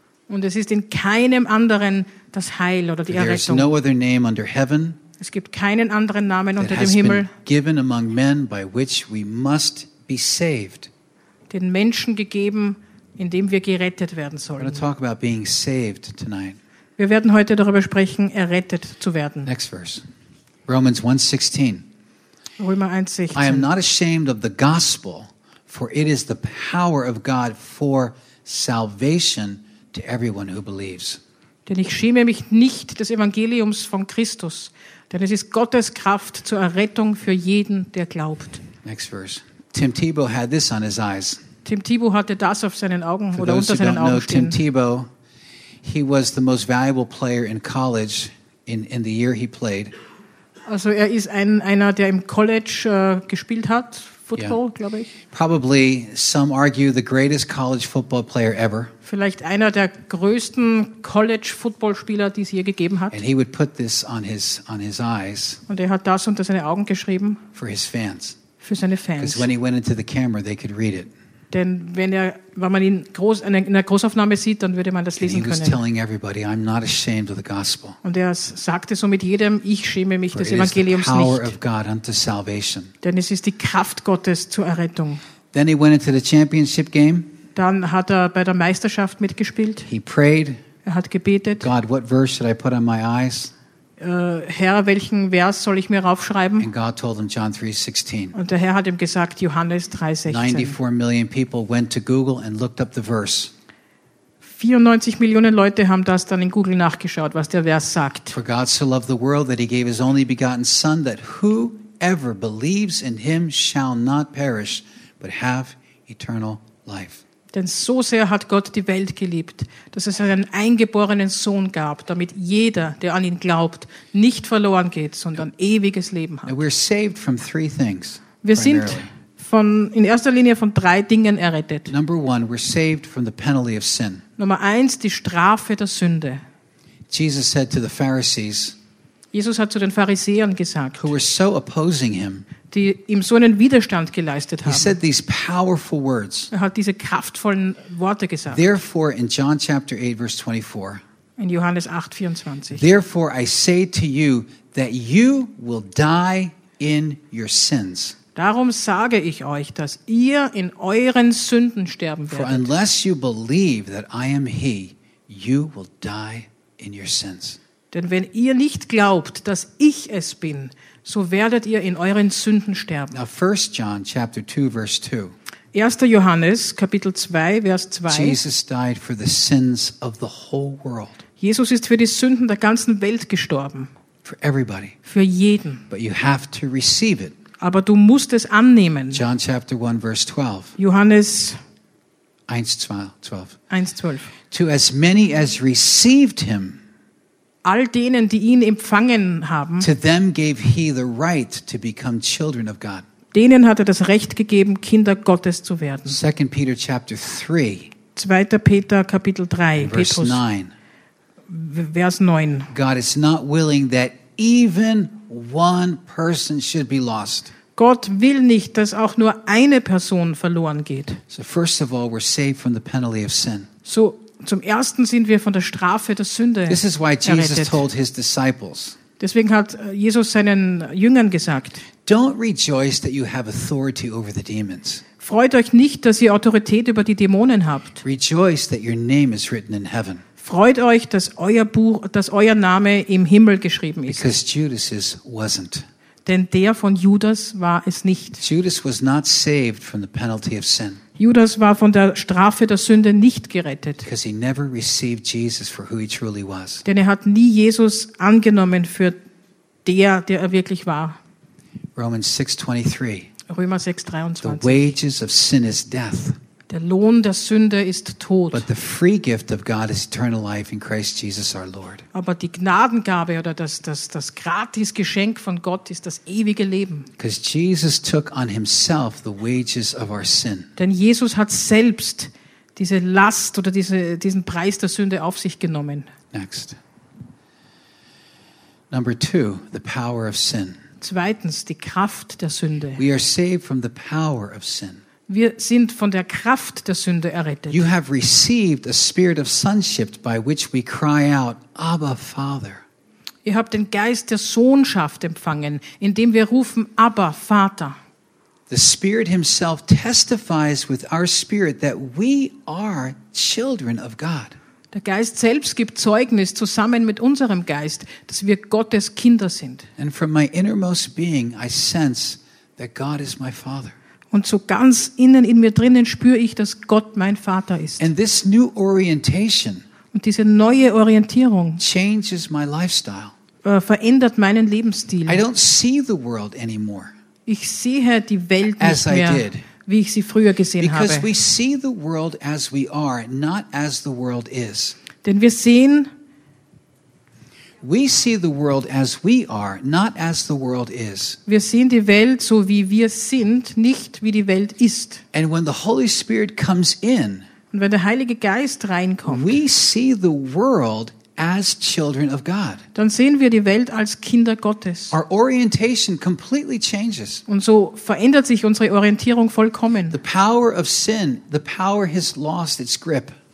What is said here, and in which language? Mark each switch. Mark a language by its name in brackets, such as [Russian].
[German] Und es ist in keinem anderen das Heil oder die Errettung. [English] There is no other name under heaven. [German] Es gibt keinen anderen Namen unter dem Himmel, [English] given among men by which we must be saved. [German] Den Menschen gegeben, in dem wir gerettet werden sollen. [English] We're going to talk about being saved tonight. [German] Wir werden heute darüber sprechen, errettet zu werden. [English] Next verse. Romans 1:16. [German] Römer 1:16. [English] I am not ashamed of the gospel, for it is the power of God for salvation to everyone who believes. [German] Denn ich schäme mich nicht des Evangeliums von Christus, denn es ist Gottes Kraft zur Errettung für jeden, der glaubt. [English] Next verse. Tim Tebow had this on his eyes. [German] Tim Tebow hatte das auf seinen Augen [English] for [German] oder unter seinen Augen [English] know, [German] stehen. [English] Tim Tebow, he was the most valuable player in college in the year he played. [German] Also er ist einer, der im College gespielt hat, Football, yeah. Glaube ich. [English] Probably some argue the greatest college football player ever. [German] Vielleicht einer der größten College-Football-Spieler, die es je gegeben hat. [English] And he would put this on his eyes. [German] Und er hat das unter seine Augen geschrieben. [English] For his fans. [German] Für seine Fans. [English] Because when he went into the camera, they could read it. [German] Denn wenn man ihn in der Großaufnahme sieht, dann würde man das lesen können. [English] And he was telling everybody, I'm not ashamed of the gospel. [German] Und er sagte somit jedem, ich schäme mich des Evangeliums nicht. [English] For it is the power of God unto salvation. [German] Denn es ist die Kraft Gottes zur Errettung. [English] Then he went into the championship game. [German] Dann hat er bei der Meisterschaft mitgespielt. [English] He prayed. [German] Er hat gebetet. [English] God, what verse should I put on my eyes? [German] Herr, welchen Vers soll ich mir raufschreiben? [English] And God told him John 3:16. [German] Und der Herr hat ihm gesagt, Johannes 3:16. [English] 94 million people went to Google and looked up the verse. [German] 94 Millionen Leute haben das dann in Google nachgeschaut, was der Vers sagt. [English] For God so loved the world that he gave his only begotten son that whoever believes in him shall not perish but have eternal life. [German] Denn so sehr hat Gott die Welt geliebt, dass es einen eingeborenen Sohn gab, damit jeder, der an ihn glaubt, nicht verloren geht, sondern ewiges Leben hat. [English] Now we're saved from three things. [German] Wir sind von, in erster Linie von drei Dingen errettet. [English] Number one, we're saved from the penalty of sin. [German] Nummer eins, die Strafe der Sünde. [English] Jesus said to the Pharisees, [German] Jesus hat zu den Pharisäern gesagt, [English] who were so opposing him, [German] die ihm so einen Widerstand geleistet haben. [English] He said these powerful words. [German] Er hat diese kraftvollen Worte gesagt. [English] Therefore, in John chapter 8, verse 24, [German] in Johannes 8, 24, [English] therefore I say to you that you will die in your sins. [German] Darum sage ich euch, dass ihr in euren Sünden sterben werdet. [English] For unless you believe that I am he, you will die in your sins. [German] Denn wenn ihr nicht glaubt, dass ich es bin, so werdet ihr in euren Sünden sterben. [English] Now 1 John chapter 2 verse 2. [German] 1. Johannes Kapitel 2 Vers 2. [English] Jesus died for the sins of the whole world. [German] Jesus ist für die Sünden der ganzen Welt gestorben. [English] For everybody. [German] Für jeden. [English] But you have to receive it. [German] Aber du musst es annehmen. [English] John chapter 1 verse 12. [German] Johannes [English] 1:12. To as many as received him, [German] all denen, die ihn empfangen haben, [English] to them gave he the right to become children of God. [German] Denen hat er das Recht gegeben, Kinder Gottes zu werden. [English] 2 Peter chapter 3. [German] 2. Peter Kapitel 3. Vers 9. [English] God is not willing that even one person should be lost. [German] Gott will nicht, dass auch nur eine Person verloren geht. [English] So first of all, we're saved from the penalty of sin. [German] So zum ersten sind wir von der Strafe der Sünde errettet. [English] This is why Jesus told his disciples. [German] Deswegen hat Jesus seinen Jüngern gesagt: [English] Don't rejoice that you have authority over the demons. [German] Freut euch nicht, dass ihr Autorität über die Dämonen habt. [English] Rejoice that your name is written in heaven. [German] Freut euch, dass euer Buch, dass euer Name im Himmel geschrieben ist. [English] Because Judas's wasn't. [German] Denn der von Judas war es nicht. [English] Judas was not saved from the penalty of sin. [German] Judas war von der Strafe der Sünde nicht gerettet. [English] Because he never received Jesus for who he truly was. [German] Denn er hat nie Jesus angenommen für der, der er wirklich war. [English] Romans 6:23. [German] Römer 6:23. [English] The wages of sin is death. [German] Der Lohn der Sünde ist Tod. [English] But the free gift of God is eternal life in Christ Jesus our Lord. [German] Aber die Gnadengabe oder das gratis Geschenk von Gott ist das ewige Leben. [English] Because Jesus took on himself the wages of our sin. [German] Denn Jesus hat selbst diese Last oder diesen Preis der Sünde auf sich genommen. [English] Next. Number two, the power of sin. [German] Zweitens, die Kraft der Sünde. [English] We are saved from the power of sin. [German] Wir sind von der Kraft der Sünde errettet. [English] You have received a spirit of sonship by which we cry out, Abba, Father. [German] Ihr habt den Geist der Sohnschaft empfangen, indem wir rufen, Abba, Vater. [English] The Spirit himself testifies with our spirit that we are children of God. [German] Der Geist selbst gibt Zeugnis zusammen mit unserem Geist, dass wir Gottes Kinder sind. [English] And from my innermost being I sense that God is my Father. [German] Und so ganz innen in mir drinnen spüre ich, dass Gott mein Vater ist. [English] And this new orientation [German] und diese neue Orientierung [English] changes my lifestyle. [German] Verändert meinen Lebensstil. [English] I don't see the world anymore, [German] ich sehe die Welt [English] as [German] nicht mehr, [English] I did, [German] wie ich sie früher gesehen [English] because [German] habe. [English] We see the world as we are, not as the world is. [German] Denn wir sehen [English] We see the world as we are, not as the world is. [German] Wir sehen die Welt so wie wir sind, nicht wie die Welt ist. [English] And when the Holy Spirit comes in, [German] und wenn der Heilige Geist reinkommt, [English] we see the world as children of God. [German] Dann sehen wir die Welt als Kinder Gottes. [English] Our orientation completely changes. [German] Und so verändert sich unsere Orientierung vollkommen. [English] The power of sin, the power has lost its grip.